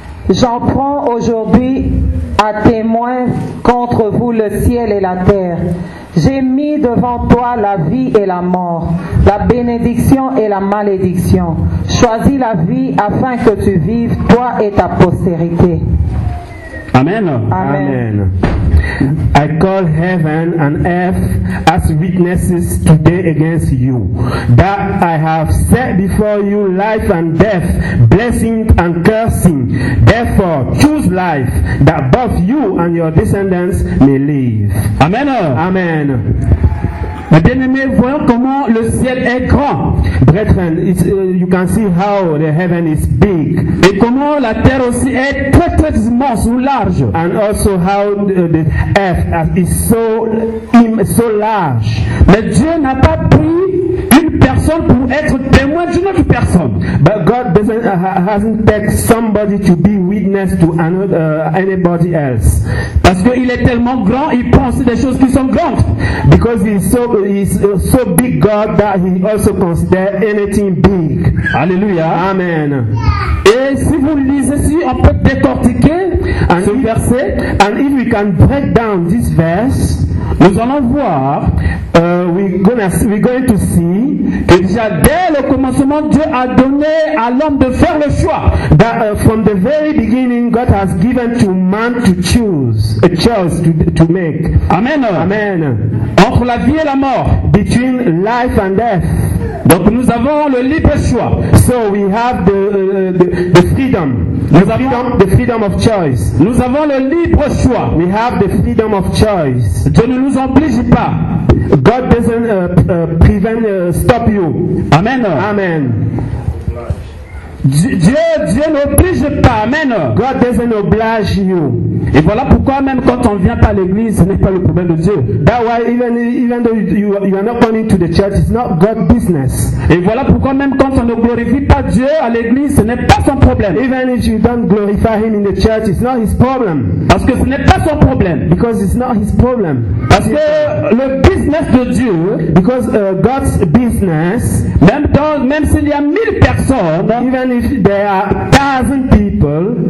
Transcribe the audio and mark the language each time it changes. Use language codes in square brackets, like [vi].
[fr] J'en prends aujourd'hui à témoin contre vous le ciel et la terre. J'ai mis devant toi la vie et la mort, la bénédiction et la malédiction. Choisis la vie afin que tu vives, toi et ta postérité. Amen. Amen. [en] Amen. I call heaven and earth as witnesses today against you, that I have set before you life and death, blessing and cursing. Therefore, choose life, that both you and your descendants may live. Amen. Amen. [fr] Mes bien-aimés, voyons comment le ciel est grand. [en] Brethren, you can see how the heaven is big. [fr] Et comment la terre aussi est très très immense ou large. [en] And also how the earth is so large. [fr] Mais Dieu n'a pas pris une une personne pour être témoin d'une autre personne. [en] But God doesn't hasn't picked somebody to be witness to anybody else. [fr] Parce que il est tellement grand, il pense des choses qui sont grandes. [en] Because he's so big God that he also considers anything big. Alléluia. Amen. [fr] Et si vous lisez, si on peut décortiquer ce verset, [en] and if we can break down this verse, [fr] nous allons voir, [en] we're going to see [fr] que déjà dès le commencement Dieu a donné à l'homme de faire le choix. [en] That from the very beginning God has given to man to choose, a choice to make. Amen. Amen. [fr] Entre la vie et la mort. [en] Between life and death. [fr] Donc nous avons le libre choix. [en] So we have the freedom. The freedom of choice. [fr] Nous avons le libre choix. [en] We have the freedom of choice. [fr] Dieu ne nous oblige pas. [en] God doesn't stop you. Amen. Amen. [fr] Dieu n'oblige pas. Amen. [en] God doesn't oblige you. [fr] Et voilà pourquoi même quand on vient pas à l'église, ce n'est pas le problème de Dieu. [en] That's why even though you are not coming to the church, it's not God's business. [fr] Et voilà pourquoi même quand on ne glorifie pas Dieu à l'église, ce n'est pas son problème. [en] Even if you don't glorify him in the church, it's not his problem. [fr] Parce que ce n'est pas son problème. [en] Because it's not his problem. [fr] Parce que le business de Dieu, [en] because God's business, [fr] même s'il y a 1000 personnes, [en] even if there are 1000 people,